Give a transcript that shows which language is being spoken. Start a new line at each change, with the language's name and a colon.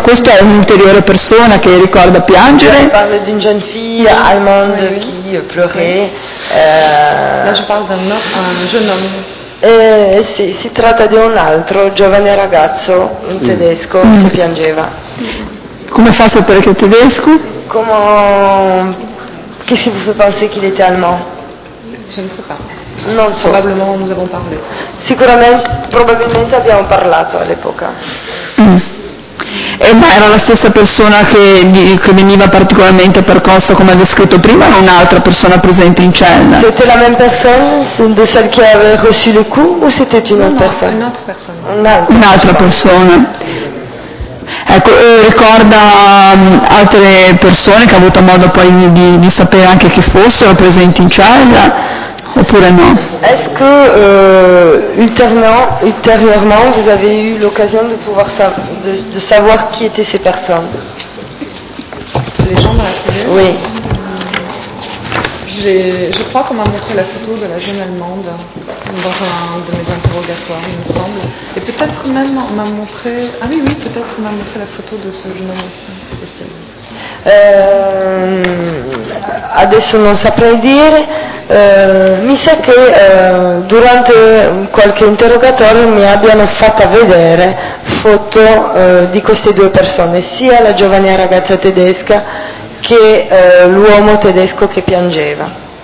Italian: Questo è un'ulteriore persona che ricorda piangere.
French: Je parle d'une jeune fille allemande qui pleurait. Là je parle d'un jeune homme.
Italian: Sì, si tratta di un altro giovane ragazzo tedesco che piangeva. Come fa a sapere che è tedesco? Come...
French: Qu'est-ce qui vous fait penser qu'il était allemand? Je ne sais pas.
Italian: Non so.
French: Probablement nous avons parlé.
Italian: Sicuramente, probabilmente abbiamo parlato all'epoca. Ma era la stessa persona che veniva particolarmente percossa, come ha descritto prima, o un'altra persona presente in cella?
French: C'était la même personne, de celle qui avait reçu le coup, ou c'était une autre personne?
Italian: Un'altra persona. Un'altra persona. Ecco, ricorda altre persone che ha avuto modo poi di sapere anche chi fossero presenti in cella, oppure no?
French: Est-ce que ultérieurement vous avez eu l'occasion de pouvoir de savoir qui étaient ces personnes? Les gens dans la cellule? Oui. Je crois qu'on m'a montré la photo de la jeune allemande dans un de mes interrogatoires, il me semble. Et peut-être même on m'a montré. Ah oui, peut-être on m'a montré la photo de ce jeune homme aussi.
Italian: Adesso non saprei dire. Mi sa che durante qualche interrogatorio mi abbiano fatta vedere foto di queste due persone, sia la giovane ragazza tedesca che l'uomo tedesco che piangeva.